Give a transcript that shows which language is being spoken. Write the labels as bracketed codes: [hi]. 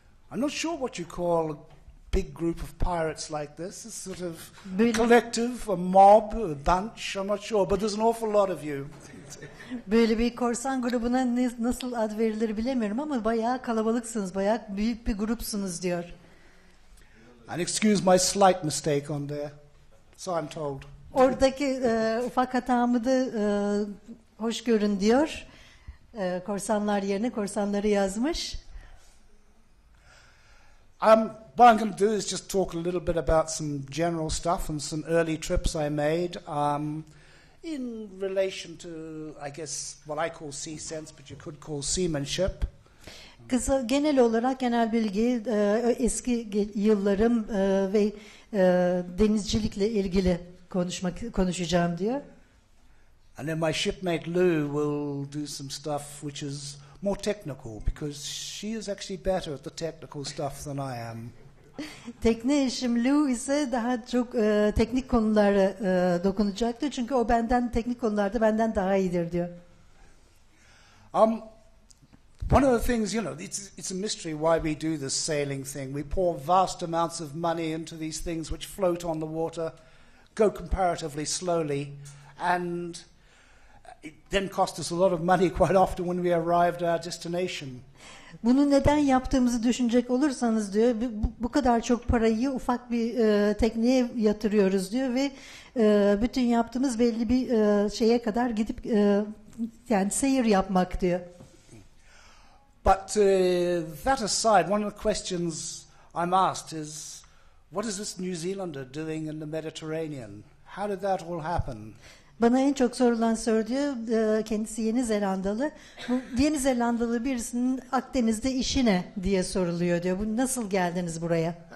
[en] I'm not sure what you call big group of pirates like this, a sort of collective, a mob, a bunch, I'm not sure, but there's an awful lot of you. [tr] Böyle bir korsan grubuna nasıl ad verilir bilemiyorum ama bayağı kalabalıksınız, bayağı büyük bir grupsunuz diyor. [en] And excuse my slight mistake on there. So I'm told. [tr] Oradaki ufak hatamı da hoş görün diyor. Korsanlar yerine korsanları yazmış. [en] What I'm going to do is just talk a little bit about some general stuff and some early trips I made in relation to, I guess, what I call sea sense, but you could call seamanship. [tr] Kısa, genel olarak genel bilgi, eski yıllarım ve denizcilikle ilgili konuşacağım diyor. [en] And then my shipmate Lou will do some stuff which is more technical, because she is actually better at the technical stuff than I am. [tr] Tekne eşim Lou ise daha çok teknik konulara dokunacaktır. Çünkü o benden teknik konularda benden daha iyidir diyor. [en] One of the things, you know, it's a mystery why we do this sailing thing. We pour vast amounts of money into these things which float on the water, go comparatively slowly, and it then cost us a lot of money quite often when we arrived at our destination. [tr] Bunu neden yaptığımızı düşünecek olursanız diyor, bu kadar çok parayı ufak bir tekneye yatırıyoruz diyor ve bütün yaptığımız belli bir şeye kadar gidip yani seyir yapmak diyor. [en] But that aside, one of the questions I'm asked is, what is this New Zealander doing in the Mediterranean? How did that all happen? [tr] Bana en çok sorulan soru diyor, kendisi Yeni Zelandalı. Bu Yeni Zelandalı birisinin Akdeniz'de işi ne diye soruluyor diyor. Bu nasıl geldiniz buraya?